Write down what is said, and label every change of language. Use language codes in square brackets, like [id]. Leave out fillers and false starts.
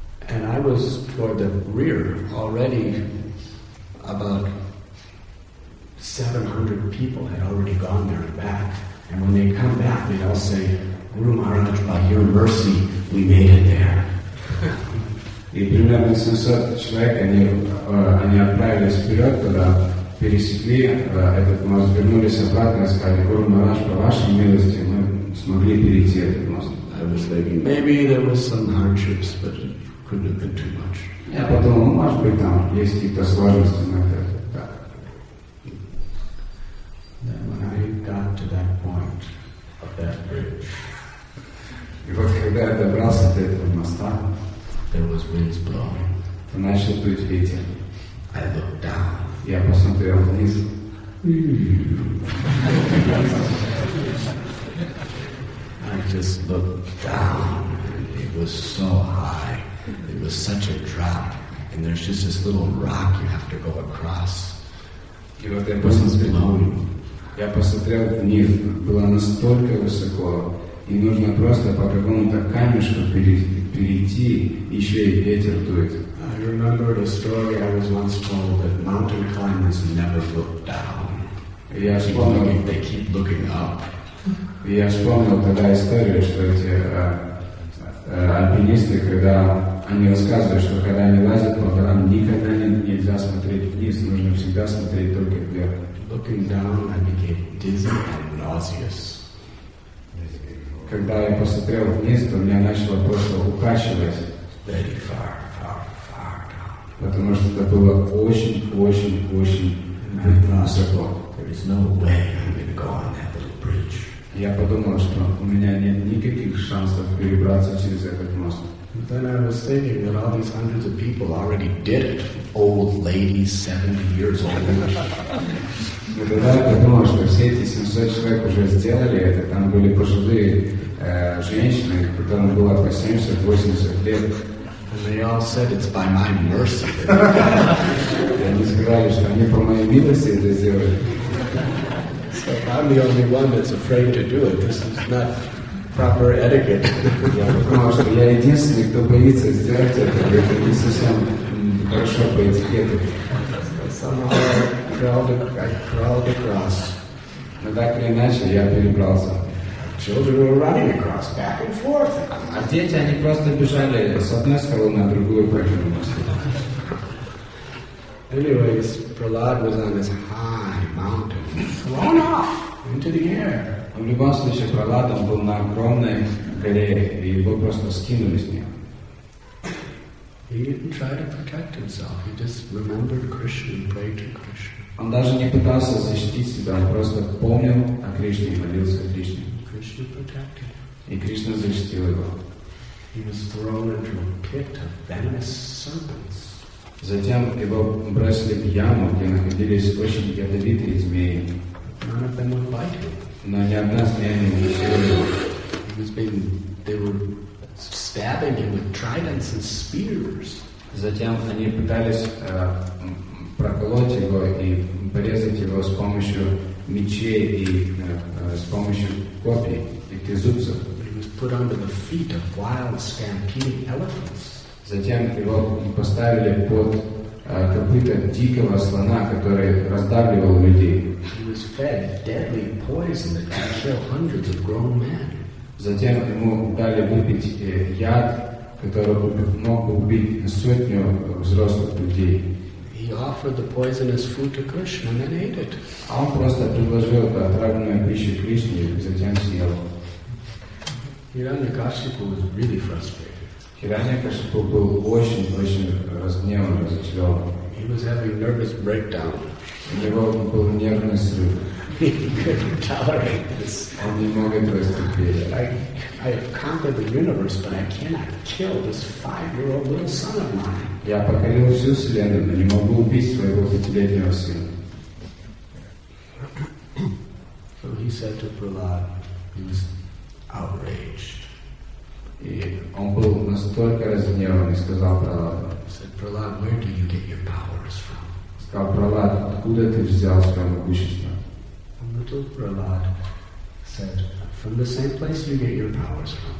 [en] And I was toward the rear already about 700 people had already gone there and back. And when they come back, they all say, Guru Maharaj, by your mercy, we made it there. [ru] И примерно 700 человек, они отправились вперед туда, пересекли этот мост, вернулись обратно и сказали, Гуру Махарадж, по вашей милости, мы смогли перейти этот мост. [en] I was thinking, maybe there was some hardships, but it couldn't have been too much. [ru] Я подумал, может быть, там есть какие-то сложности, но это так. [en] Then when I got to that point of that bridge, [ru] и вот когда я добрался до этого моста, [en] there was winds blowing. [ru] То начал дуть ветер. [en] I looked down. [ru] Я посмотрел вниз. [en] I just looked down, and it was so high. It was such a drop, and there's just this little rock you have to go across. [ru] И вот я посмотрел вниз. Я посмотрел вниз. Было настолько высоко, и нужно просто по какому-то камешку перейти, еще и ветер дует. [en] I remembered a story I was once told that mountain climbers never look down. [ru] Я вспомнил, [en] if they keep looking up. [ru] Я вспомнил тогда историю, что эти альпинисты, когда они рассказывают, что когда они лазят по горам, никогда нельзя смотреть вниз, нужно всегда смотреть только вверх. [en] Looking down, I became dizzy and nauseous. [ru] Когда я посмотрел вниз, то меня начало просто укачивать. [en] Very far, far, far down. [ru] Потому что это было очень-очень-очень высоко. [en] There is no way I'm going to go on that little bridge. [ru] Я подумал, что у меня нет никаких шансов перебраться через этот мост. [en] But then I was thinking that all these hundreds of people already did it. Old ladies, 70 years old. [ru] И тогда я подумал, что все эти 700 человек уже сделали это. Там были пожилые женщины, которым было по 70-80 лет. [en] And they all said, it's by my mercy. [ru] И они сказали, что они по моей милости это сделали. [en] So I'm the only one that's afraid to do it. This is not proper etiquette. [ru] Я подумал, что я единственный, кто боится сделать это. Это не совсем хорошо по этикету. [en] I crawled across. [ru] Но так или иначе, я перебрался. [en] Children were running across, back and forth. [ru] А дети, они просто бежали с одной стороны на другую по этому мосту. [en] Anyways, Prahlad was on this high mountain, thrown off into the air. [ru] В любом случае, Prahlad был на огромной горе, и его просто скинули с нее. [en] He didn't try to protect himself. He just remembered Krishna and prayed to Krishna. [ru] Он даже не пытался защитить себя, он просто помнил о Кришне и молился о Кришне. [en] Krishna protected him. [ru] И Кришна защитил его. [en] He was thrown into a pit of venomous serpents. [ru] Затем его бросили в яму, где находились очень ядовитые змеи. [en] None of them would bite him. [ru] Но ни одна змея не укусила его. [en] He was being, they were stabbing him with tridents and spears. [ru] Затем они пытались проколоть его и порезать его с помощью мечей и с помощью копий и тезубцев. [en] He was put under the feet of wild stampeding elephants. [ru] Затем его поставили под копыта дикого слона, который раздавливал людей. [en] He was fed deadly poison that could kill hundreds of grown men. [ru] Затем ему дали выпить яд, который мог убить сотню взрослых людей. [en] He offered the poisonous food to Krishna and then ate it. [ru] Он просто предложил отравленную пищу Кришне и затем съел. [en] Hiranyakashipu was really frustrated. [ru] Hiranyakashipu был очень разгневан, разочарован. [en] He was having nervous breakdown. [ru] У него был нервный срыв. [en] He couldn't tolerate this. I have conquered the universe, but I cannot kill this 5-year-old little son of mine. [ru] Я покорил всю вселенную, но не могу убить своего 5-летнего сына. [en] So he said to Prahlad, he was outraged. [ru] И он был настолько разгневан и сказал Прахладу. [en] Said Prahlad, where do you get your powers from? [ru] Сказал Прахлад, откуда ты взял свое могущество? [en] Little Prahlad said, from the same place you get your powers